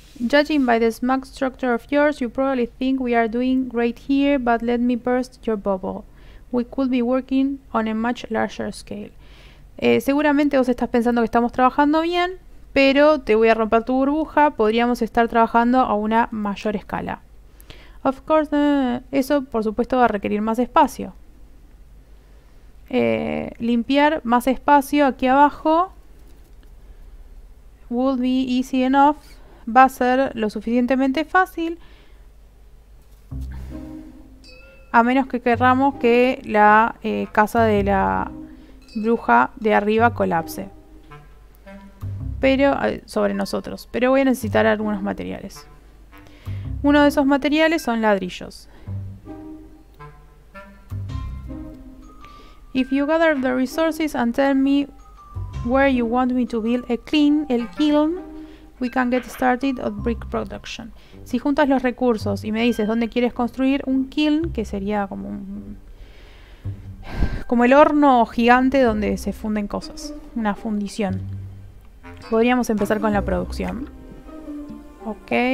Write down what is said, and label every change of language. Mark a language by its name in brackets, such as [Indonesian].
[English] Judging by the smug structure of yours, you probably think we are doing great here, but let me burst your bubble. We could be working on a much larger scale. [Spanish] Seguramente vos estás pensando que estamos trabajando bien, pero te voy a romper tu burbuja. Podríamos estar trabajando a una mayor escala. [English] Of course, [Spanish] eso por supuesto va a requerir más espacio. Limpiar más espacio aquí abajo [English] would be easy enough. [Spanish] Va a ser lo suficientemente fácil. A menos que querramos que la casa de la bruja de arriba colapse. Pero sobre nosotros. Pero voy a necesitar algunos materiales. Uno de esos materiales son ladrillos. [English] If you gather the resources and tell me where you want me to build a kiln, we can get started on brick production. [Spanish] Si juntas los recursos y me dices dónde quieres construir un kiln, que sería como un... como el horno gigante donde se funden cosas. Una fundición. Podríamos empezar con la producción. Ok.